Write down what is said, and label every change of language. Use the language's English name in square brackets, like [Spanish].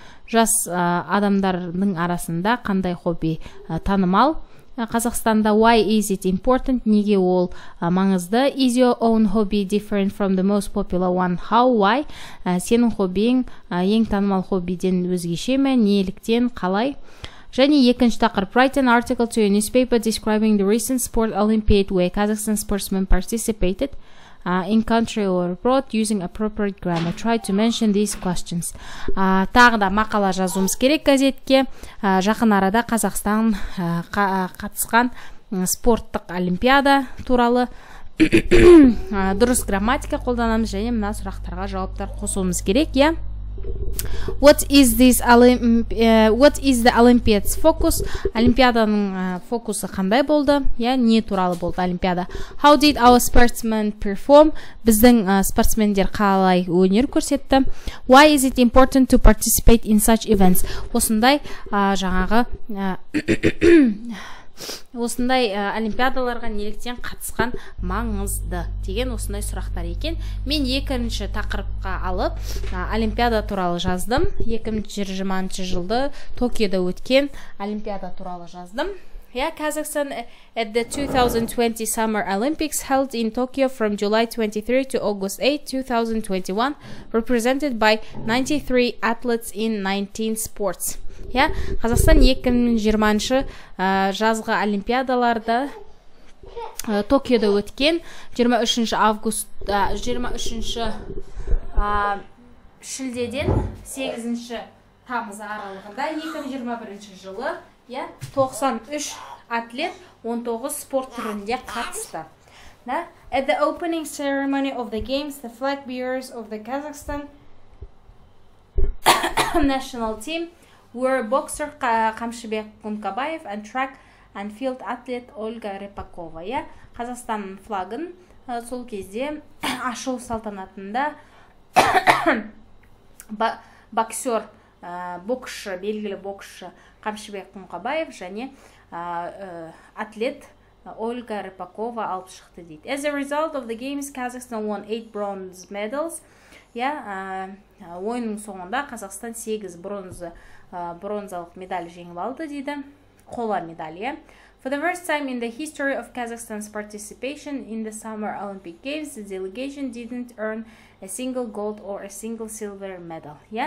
[Kazakh] Жас адамдардың арасында қандай хобби танымал? [English] Қазақстанда why is it important? [Kazakh] Неге ол маңызды? [English] Is your own hobby different from the most popular one? How? Why? [Kazakh] Сенің хоббиің ең танымал хоббиден өзгеше ме? Неліктен? Қалай? Және екінші тақырып, [English] write an article to a newspaper describing the recent sport Olympiad where Kazakhstan sportsmen participated in country or abroad using appropriate grammar. Try to mention these questions. [Kazakh] Тағы да мақала жазуымыз керек газетке. Жақын арада Қазақстан қатысқан спорттық олимпиада туралы дұрыс грамматика қолданамыз және мына сұрақтарға жауаптар қосуымыз керек, иә? [English] What is this what is the Olympiad's focus? [Kazakh] Олимпиаданың фокусы қандай болды? Я не туралы болды олимпиада. [English] How did our sportsmen perform? [Kazakh] Біздің спортсмендер қалай өнер көрсетті? [English] Why is it important to participate in such events? [Kazakh] Осындай жаңағы осындай олимпиадаларға неліктен қатысқан маңызды деген осындай сұрақтар екен. Мен екінші тақырыпқа алып олимпиада туралы жаздым. 2020 жылды Токиода өткен олимпиада туралы жаздым. [English] Yeah, Kazakhstan at the 2020 Summer Olympics held in Tokyo from July 23 to August 8, 2021, represented by 93 athletes in 19 sports. [Kazakh] Yeah, Kazakhstan 2020 жазғы олимпиадаларда Токиода өткен 23 шілдеден 8 тамыз аралығында 2021 жылы 93 атлет 19 спорт түрінде қатысты. [English] At the opening ceremony of the games, the flag bearers of the Kazakhstan national team were boxer Қамшыбек Кумкабаев and track and field athlete Ольга Рыпакова. [Kazakh] Қазақстан флагын сол кезде ашылу салтанатында боксер боксшы, белгілі боксшы Қамшыбек Кумкабаев және атлет Ольга Рыпакова алып шықты дейді. [English] As a result of the games, Kazakhstan won 8 bronze medals. [Kazakh] Ойының соңында Қазақстан 8 бронзалық медаль жеңіп алды дейді. Қола медаль. [English] For the first time in the history of Kazakhstan's participation in the Summer Olympic Games, the delegation didn't earn a single gold or a single silver medal.